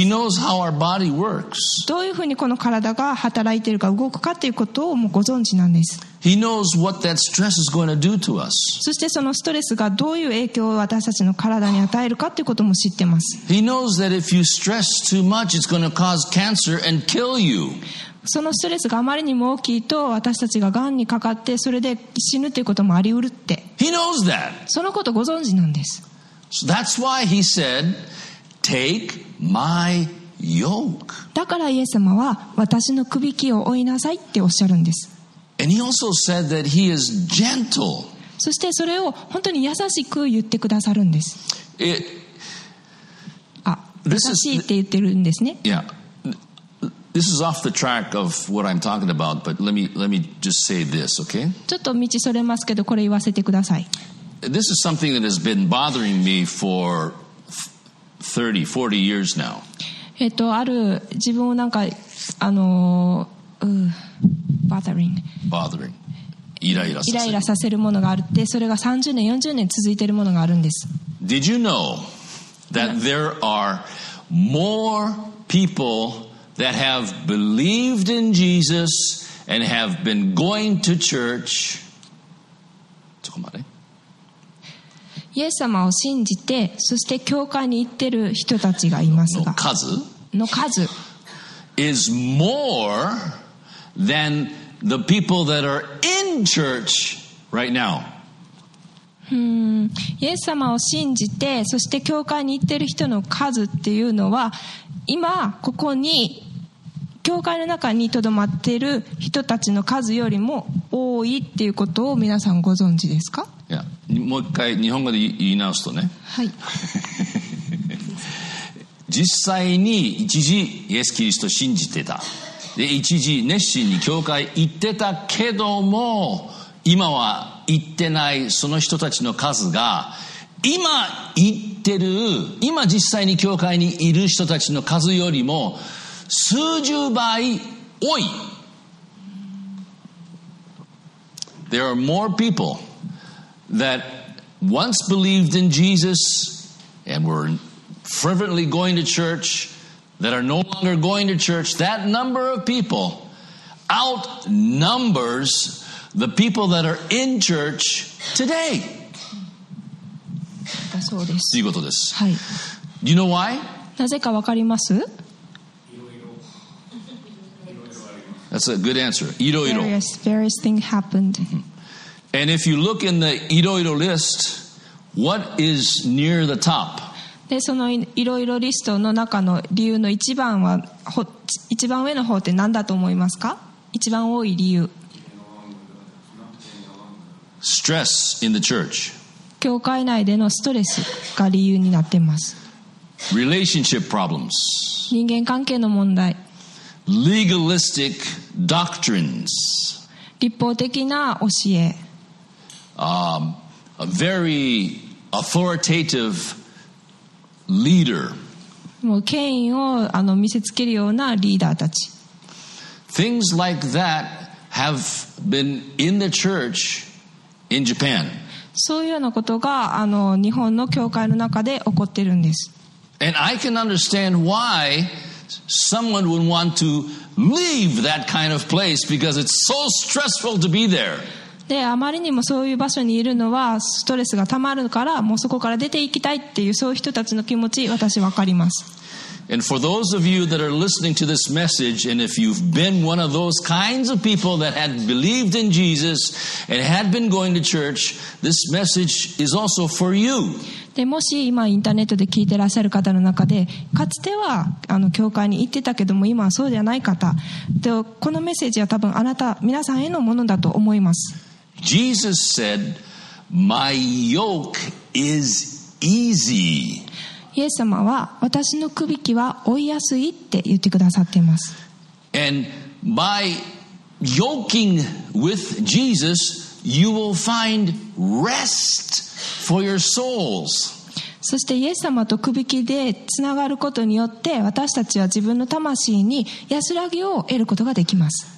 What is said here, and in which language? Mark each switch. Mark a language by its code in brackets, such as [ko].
[en] He knows how our body works. [ja] どういうふうにこの体が働いているか動くかということをもうご存知なんです。 [en] He knows what that stress is going to do to us. [ja] そしてそのストレスがどういう影響を私たちの体に与えるかということも知ってます。 [en] He knows that if you stress too much, it's going to cause cancer and kill you. [ja] そのストレスがあまりにも大きいと私たちが癌にかかってそれで死ぬということもありうるって。 [en] He knows that. [ja] そのことご存知なんです。 [en] So that's why he said, "Take my yoke." [ja] だからイエス様は私の首輝を負いなさいっておっしゃるんです。 [en] And he also said that he is gentle. [ja] そしてそれを本当に優しく言ってくださるんです。優しいって言ってるんですね。 [en] Yeah. This is off the track of what I'm talking about, but let me just say this, okay? [ja] ちょっと道それますけど、これ言わせてください。 [en] This is something that has been bothering me for 30, 40 years now. [ja] ある自分をなんかあの、bothering. Bothering. イライラさせるものがあるって、それが30年、40年続いているものがあるんです。 [en] Did you know that there are more people that have believed in Jesus and have been going to church? [ja] そこまで。イエス様を信じてそして教会に行ってる人たちがいますがの数 [en] is more than the people that are in church right now. [ja] イエス様を信じてそして教会に行ってる人の数っていうのは今ここに教会の中にとどまってる人たちの数よりも多いっていうことを皆さんご存知ですか？もう一回日本語で言い直すとね、はい、実際に一時イエス・キリストを信じてた、で一時熱心に教会行ってたけども今は行ってないその人たちの数が今行ってる今実際に教会にいる人たちの数よりも数十倍多い。 [en] There are more peopleThat once believed in Jesus and were fervently going to church, that are no longer going to church, that number of people outnumbers the people that are in church today. [ja] だそうです。ということです。はい。 [en] Do you know why? [ja] なぜかわかります？ [en] That's a good answer. いろいろ。 Various things happened.、Mm-hmm. And if you look in the Iroiro list, what is near the top? [ja] で、その Iroiro リストの中の理由の一番は、一番上の方って何だと思いますか？一番多い理由。 [en] Stress in the church. [ja] 教会内でのストレスが理由になってます。 [en] Relationship problems. [ja] 人間関係の問題。 [en] Legalistic doctrines. [ja] 立法的な教え。 [en] A very authoritative leader. [ja] もう権威を見せつけるようなリーダーたち。 [en] Things like that have been in the church in Japan. [ja] そういうようなことが日本の教会の中で起こってるんです。 [en] And I can understand why someone would want to leave that kind of place because it's so stressful to be there. [ja] で、あまりにもそういう場所にいるのはストレスがたまるから、もうそこから出て行きたいっていうそういう人たちの気持ち、私わかります。 [en] And for those of you that are listening to this message, and if you've been one of those kinds of people that had believed in Jesus and had been going to church, this message is also for you. [ja] で、もし今インターネットで聞いてらっしゃる方の中で、かつては教会に行ってたけども今はそうじゃない方、で、このメッセージは多分あなた、皆さんへのものだと思います。 [en] Jesus said, "My yoke is easy." [ja] イエス様は私の首輝きは負いやすいって言ってくださっています。 [en] And by yoking with Jesus, you will find rest for your souls. [ja] そしてイエス様と首輝きでつながることによって私たちは自分の魂に安らぎを得ることができます。